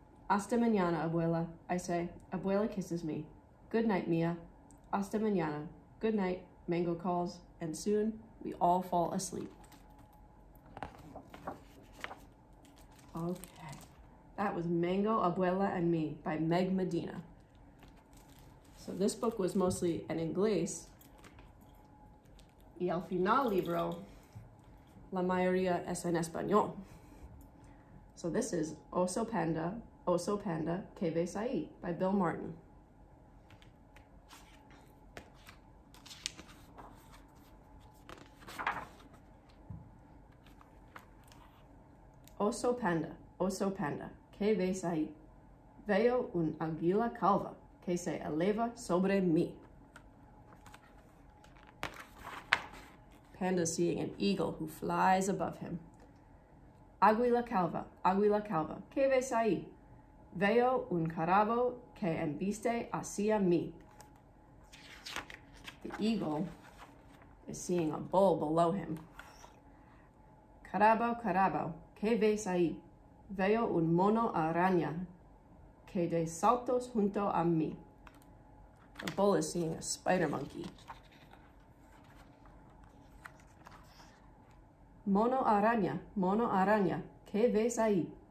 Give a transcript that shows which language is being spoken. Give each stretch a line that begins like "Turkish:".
Spanish: Hasta mañana,
English: Abuela, I say. Abuela kisses me. Good night, Mia. Hasta mañana. Good night, Mango calls, and soon we all fall asleep. Okay, that was Mango, Abuela, and Me by Meg Medina. So this book was mostly in Inglés.
Spanish: Y al final libro, la mayoría es en español.
English: So this is Oso Panda, Oso Panda, ¿Qué ves ahí? By Bill Martin.
Spanish: Oso panda, ¿qué ves ahí? Veo un águila calva que se eleva sobre mí.
English: Panda seeing an eagle who flies above him.
Spanish: Águila calva, ¿qué ves ahí? Veo un carabo que embiste hacia mí.
English: The eagle is seeing a bull below him.
Spanish: Carabo, carabo. ¿Qué ves ahí? Veo un mono araña que de saltos junto a mí.
English: The bull is seeing a spider monkey.
Spanish: Mono araña, ¿qué ves ahí?